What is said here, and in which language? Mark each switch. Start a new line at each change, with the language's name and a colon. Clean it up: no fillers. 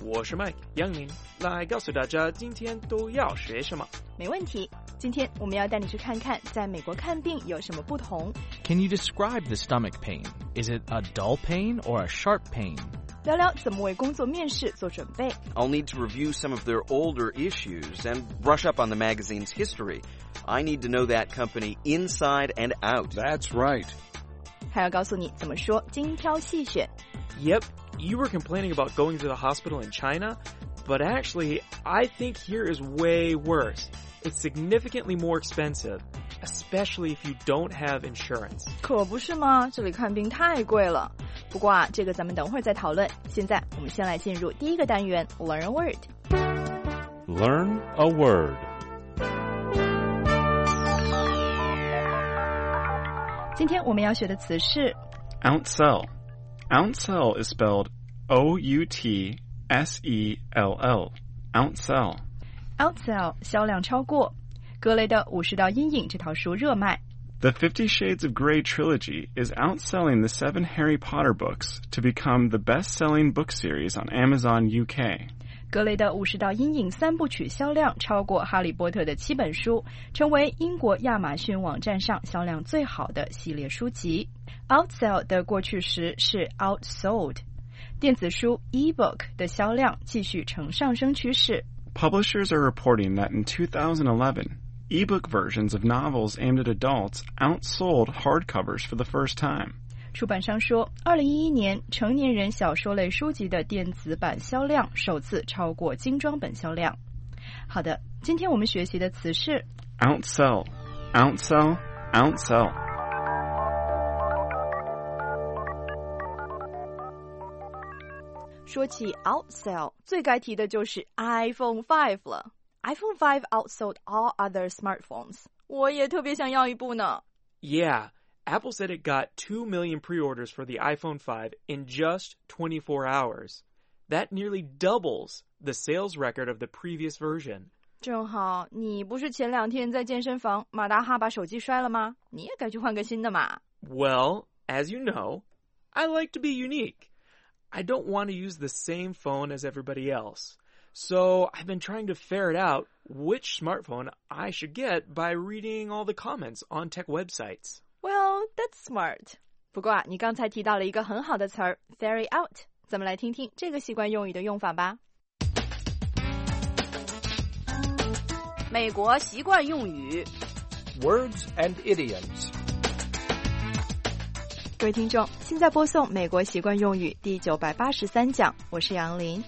Chinese: 我是 Mike 杨林，来告诉大家今天都要学什么。没问题，今天我们要带你去看看在美国看病有什么不同。
English: Can you describe the stomach pain? Is it a dull pain or a sharp pain?
Chinese: 聊聊怎么为工作面试做准备。
English: I'll need to review some of their older issues and brush up on the magazine's history. I need to know that company inside and out. That's right.
Chinese: 还要告诉你怎么说精挑细选。
English: Yep, you were complaining about going to the hospital in China, but actually, I think here is way worse. It's significantly more expensive, especially if you don't have insurance.
Chinese: 可不是吗？这里看病太贵了。不过啊，这个咱们等会儿再讨论。现在我们先来进入第一个单元 ，
English: Learn a word。 Learn a word。
Chinese: 今天我们要学的词是
English: outsell。 Outsell is spelled O-U-T-S-E-L-L。 Outsell。
Chinese: Outsell 销量超过《格雷的武士道阴影》这套书热卖。
English: The 50 Shades of Grey trilogy is outselling the 7 Harry Potter books to become the best-selling book series on Amazon UK.
Chinese: 格雷的武士道阴影三部曲销量超过哈利波特的七本书，成为英国亚马逊网站上销量最好的系列书籍。 Outsell 的过去时是 outsold. 电子书 e-book 的销量继续呈上升趋势。
English: Publishers are reporting that in 2011,E-book versions of novels aimed at adults outsold hardcovers for the first time.
Chinese: 出版商说 ,2011 年成年人小说类书籍的电子版销量首次超过精装本销量。好的，今天我们学习的词是
English: outsell, outsell, outsell.
Chinese: 说起 outsell, 最该提的就是 iPhone 5了。
English: iPhone 5 outsold all other smartphones.
Chinese: 我也特别想要一部呢。
English: Yeah, Apple said it got 2 million pre-orders for the iPhone 5 in just 24 hours. That nearly doubles the sales record of the previous version.
Chinese: 正好，你不是前两天在健身房，马大哈把手机摔了吗？你也该去换个新的嘛。
English: Well, as you know, I like to be unique. I don't want to use the same phone as everybody else. So, I've been trying to ferret out which smartphone I should get by reading all the comments on tech websites. Well, that's smart.
Chinese: 不过啊，你刚才提到了一个很好的词儿 ,ferret out. 咱们来听听这个习惯用语的用法吧。美国习惯用语
English: Words and idioms.
Chinese: 各位听众，现在播送美国习惯用语第983讲，我是杨林。